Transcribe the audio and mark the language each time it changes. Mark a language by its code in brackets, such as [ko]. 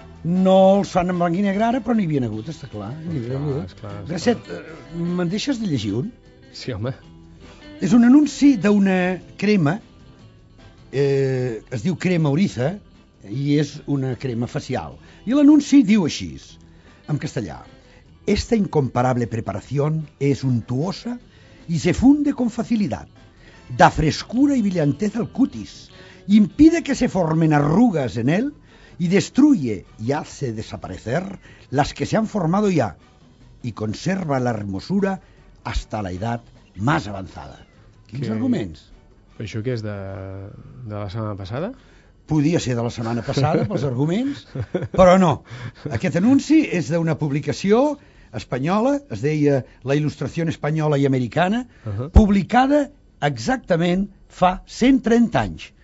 [ca] No els fan en blanc i negre ara, però n'hi havia hagut, està clar. Gracet, me'n deixes de llegir un? Sí, home. És un anunci d'una crema. Es diu crema Oriza i és una crema facial. I l'anunci diu així, en castellà: [es] esta incomparable preparación es untuosa y se funde con facilidad, da frescura y brillantez al cutis, impide que se formen arrugas en él y destruye y hace desaparecer las que se han formado ya y conserva la hermosura hasta la edad más avanzada. [ca] Quins sí. arguments? Això què és, de la setmana passada? Podia ser de la setmana passada, pels arguments, però no. Aquest anunci és d'una publicació espanyola, es deia La Ilustració Espanyola i Americana, publicada exactament fa 130 anys.